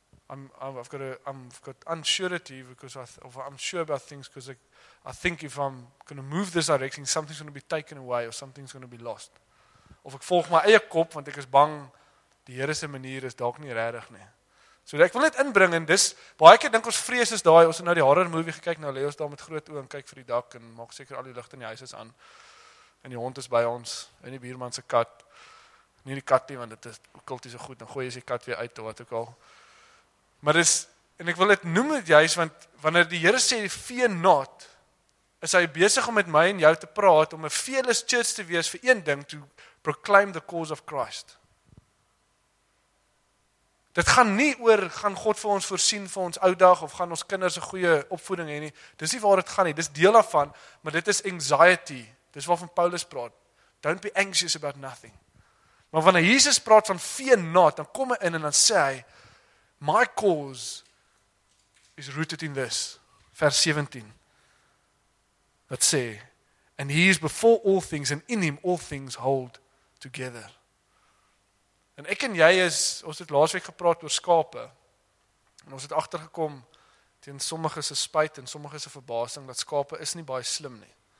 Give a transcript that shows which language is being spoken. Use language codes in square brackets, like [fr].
[en] I've got unsurety, because I think if I'm going to move this direction, something's going to be taken away, or something's going to be lost. [af] Of ek volg my eie kop, want ek is bang, die Here se manier is dalk nie regtig nie. So ek wil dit inbring, en dis, baie keer dink ons vrees is daai, ons het nou die horror movie gekyk, nou lê ons daar met groot oë, en kyk vir die dak, en maak seker al die ligte in die huis is aan, en die hond is by ons, en die buurman se kat, nie die kat nie, want dit is kulties so goed, en gooi is die kat weer uit, of wat ook al. Maar dis, en ek wil dit noem dit juist, want wanneer die Here sê, fear not, is hy besig om met my en jou te praat, om 'n fearless church te wees vir een ding, toe proclaim the cause of Christ. Dit gaan nie oor, gaan God vir ons voorsien vir ons oudag, of gaan ons kinders een goeie opvoeding heen nie. Dis nie waar dit gaan nie, dis deel daarvan, maar dit is anxiety. Dis waarvan Paulus praat. Don't be anxious about nothing. Maar wanneer Jesus praat van fear not, dan kom hy in en dan sê hy, my cause is rooted in this. Vers 17. [en] Wat sê, and he is before all things, and in him all things hold together. [af] En ek en jy is, ons het laasweek gepraat oor skape, en ons het achtergekom, teen sommige se spyt en sommige se verbasing, dat skape is nie baie slim nie.